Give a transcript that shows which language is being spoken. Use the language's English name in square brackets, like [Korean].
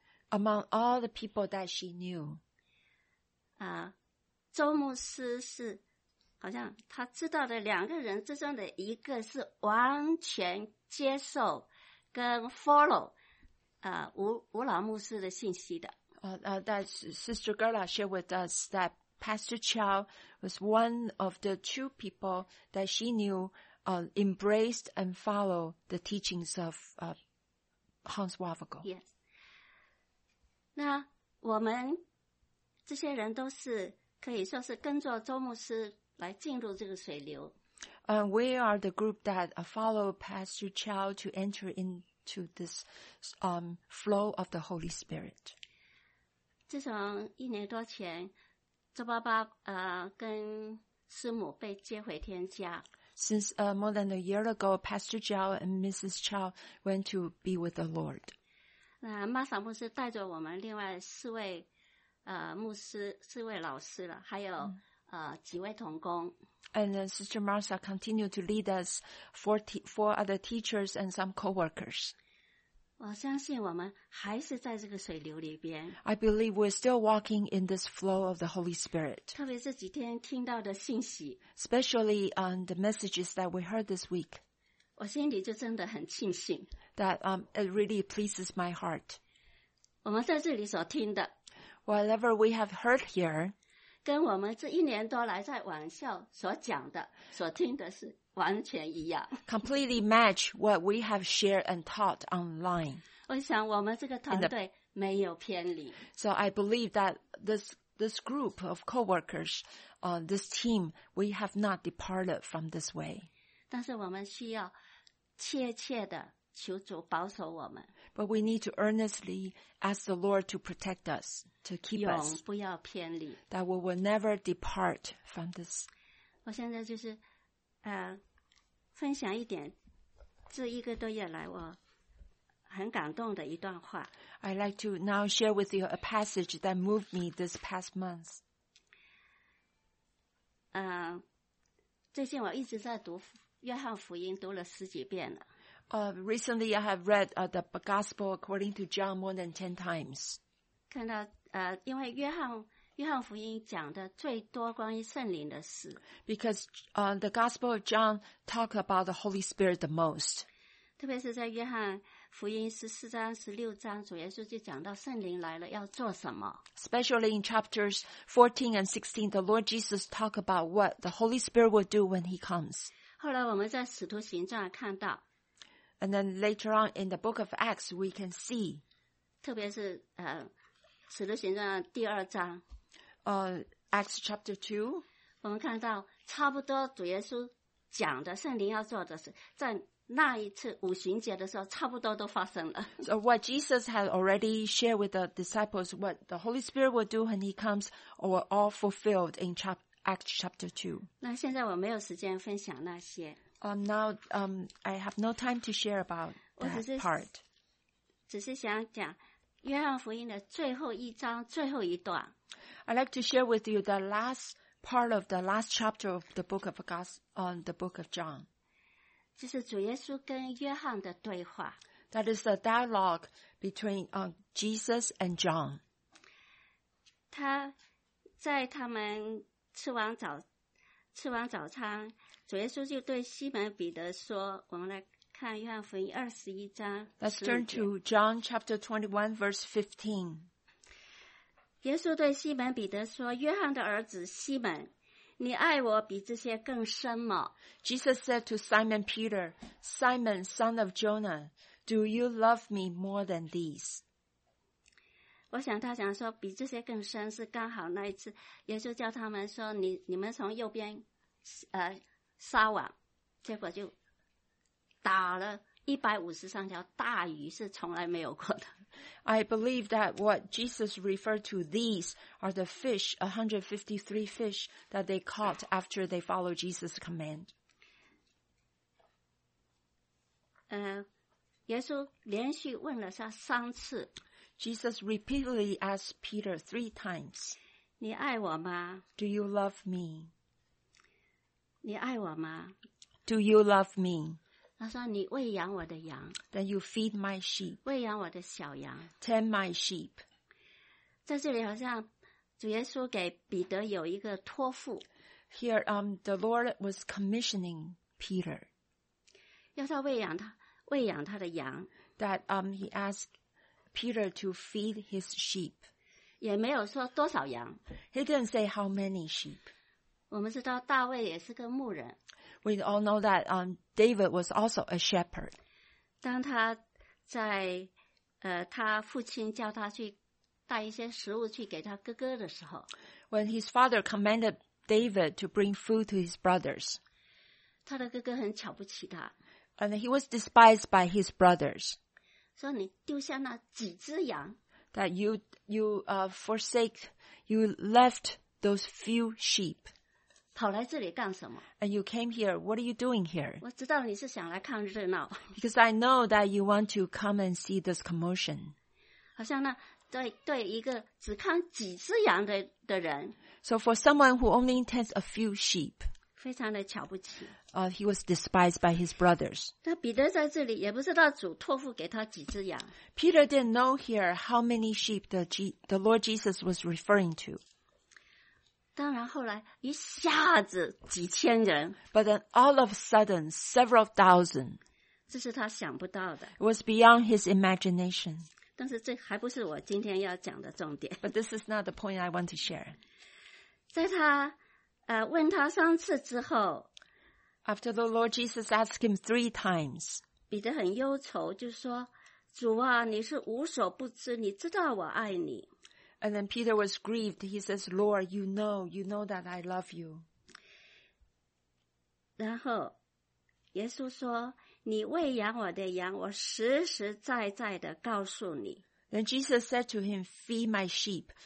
[English] Among all the people that she knew, [Chinese] 周牧师是好像他知道的两个人之中的一个是完全接受跟 follow 吴老牧师的信息的。 [English] That Sister Gerda shared with us that Pastor Chow was one of the two people that she knew embraced and follow the teachings of Hans Wavago. Yes. [Chinese] 那我们这些人都是可以说是跟着周牧师来进入这个水流。 [English] We are the group that follow Pastor Chow to enter into this flow of the Holy Spirit. [Chinese] 自从一年多前，周爸爸跟师母被接回天家。 [English] Since more than a year ago, Pastor Chow and Mrs. Chow went to be with the Lord. [Chinese] 那玛莎牧师带着我们另外四位牧师四位老师了，还有几位同工。 [English] And Sister Martha continued to lead us four other teachers and some co-workers. [Chinese] 我相信我们还是在这个水流里边。 [English] I believe we're still walking in this flow of the Holy Spirit. [Chinese] 特别这几天听到的信息。 [English] Especially on the messages that we heard this week. [Chinese] 我心里就真的很庆幸。 [English] That it really pleases my heart. [Chinese] 我们在这里所听的。 [English] Whatever we have heard here. [Chinese] 跟我们这一年多来在网校所讲的所听的是完全一样 [English] completely match what we have shared and taught online [Chinese] 我想我们这个团队没有偏离 [English] so I believe that this group of co-workers this team we have not departed from this way [Chinese] 但是我们需要切切的求主保守我们 [English] but we need to earnestly ask the Lord to protect us to keep [Chinese] 永不要偏离 [English] us that we will never depart from this [Chinese] 我现在就是分享一点这一个多月来我很感动的一段话 [English] I'd like to now share with you a passage that moved me this past month [Chinese] 最近我一直在读约翰福音读了十几遍了 [English] Recently, I have read the Gospel according to John more than 10 times. [Chinese] 看到因为约翰福音讲的最多关于圣灵的事。 [English] Because the Gospel of John talk about the Holy Spirit the most. [Chinese] 特别是在约翰福音14章、16章，主耶稣就讲到圣灵来了要做什么。 [English] Especially in chapters 14 and 16, the Lord Jesus talk about what the Holy Spirit will do when He comes. [Chinese] 后来我们在使徒行传看到。 [English] And then later on in the book of Acts, we can see. [Chinese] 特别是使徒行传第二章。 [English] Acts chapter 2. [Chinese] 我们看到差不多主耶稣讲的圣灵要做的事在那一次五旬节的时候差不多都发生了。 [English] So what Jesus had already shared with the disciples, what the Holy Spirit will do when he comes, were all fulfilled in Acts chapter 2. [Chinese] 那现在我没有时间分享那些。 [English] Now, I have no time to share about that part. [Chinese] 只是想讲约翰福音的最后一章最后一段。 [English] I'd like to share with you the last part of the last chapter of the book of the book of John. [Chinese] 就是主耶稣跟约翰的对话。 [English] That is the dialogue between Jesus and John. [Chinese] 他在他们吃完早餐。主耶稣就对西门彼得说，我们来看约翰福音21章。 [English] Let's turn to John chapter 21 verse 15. [Chinese] 耶稣对西门彼得说，约翰的儿子西门，你爱我比这些更深吗？ [English] Jesus said to Simon Peter, Simon, son of Jonah, do you love me more than these? [Chinese] 我想他想说比这些更深是刚好那一次耶稣叫他们说你们从右边撒网，结果就打了153条大鱼，是从来没有过的。 [English] I believe that what Jesus referred to these are the fish, 153 fish that they caught after they followed Jesus' command. [Chinese] 耶稣连续问了他三次。 [English] Jesus repeatedly asked Peter three times, [Chinese] 你爱我吗? [English] Do you love me? [Chinese] 你爱我吗? [English] Do you love me? [Chinese] 他说你喂养我的羊。 [English] Then you feed my sheep. [Chinese] 喂养我的小羊。 [English] Tend my sheep. [Chinese] 在这里好像主耶稣给彼得有一个托付。 [English] Here, the Lord was commissioning Peter. [Chinese] 要他喂养他的羊。 [English] That, he asked Peter to feed his sheep. [Chinese] 也没有说多少羊。 [English] He didn't say how many sheep. [Chinese] 我们知道大卫也是个牧人。 [English] We all know that David was also a shepherd. [Chinese] 当他在他父亲叫他去带一些食物去给他哥哥的时候。 [English] When his father commanded David to bring food to his brothers. [Chinese] 他的哥哥很瞧不起他。 [English] And he was despised by his brothers. [Chinese] 说你丢下那几只羊。 [English] That you left those few sheep. [Chinese] 跑来这里干什么? [English] And you came here. What are you doing here? [Chinese] 我知道你是想来看热闹。 [English] Because I know that you want to come and see this commotion. [Chinese] 好像那对一个只看几只羊 的人。 [English] So for someone who only tends a few sheep, [Chinese] 非常的瞧不起。 [English] He was despised by his brothers. [Chinese] 那彼得在这里也不知道主托付给他几只羊。 [English] Peter didn't know here how many sheep the Lord Jesus was referring to. [Chinese] 当然后来一下子几千人。 [English] But then all of a sudden, several thousand. [Chinese] 这是他想不到的。 [English] It was beyond his imagination. [Chinese] 但是这还不是我今天要讲的重点。 [English] But this is not the point I want to share. [Chinese] 在他问他三次之后， [English] After the Lord Jesus asked him three times, [Chinese] 彼得很忧愁，就说：“主啊，你是无所不知，你知道我爱你。” [English] And then Peter was grieved. He says, "Lord, you know that I love you." [Chinese] 然后，耶稣说：“你喂养我的羊，我实实在在的告诉你。” [English] Then Jesus said to him, "Feed my sheep.